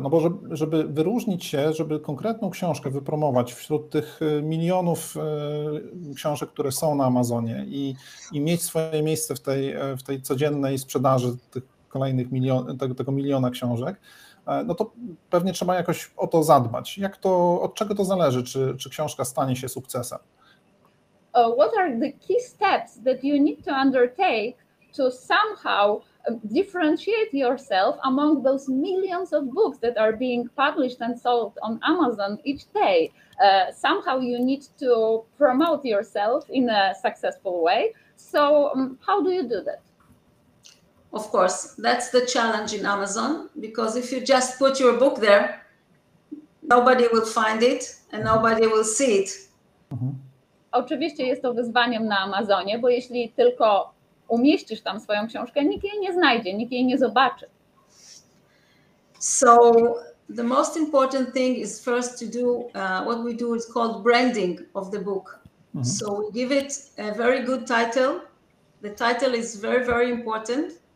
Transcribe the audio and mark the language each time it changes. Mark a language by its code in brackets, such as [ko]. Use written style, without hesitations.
[pl] No bo żeby wyróżnić się, żeby konkretną książkę wypromować wśród tych milionów książek, które są na Amazonie i mieć swoje miejsce w tej codziennej sprzedaży tych kolejnych tego miliona książek, no to pewnie trzeba jakoś o to zadbać. Jak to, od czego to zależy, czy książka stanie się sukcesem? [en] What are the key steps that you need to undertake to somehow differentiate yourself among those millions of books that are being published and sold on Amazon each day? Somehow you need to promote yourself in a successful way. So how do you do that? Of course, that's the challenge in Amazon, because if you just put your book there, nobody will find it and nobody will see it. [pl] Oczywiście jest to wyzwaniem na Amazonie, bo jeśli tylko umieścisz tam swoją książkę, nikt jej nie znajdzie, nikt jej nie zobaczy. [en] So the most important thing is first to do what we do is called branding of the book. So we give it a very good title. The title is very, very important.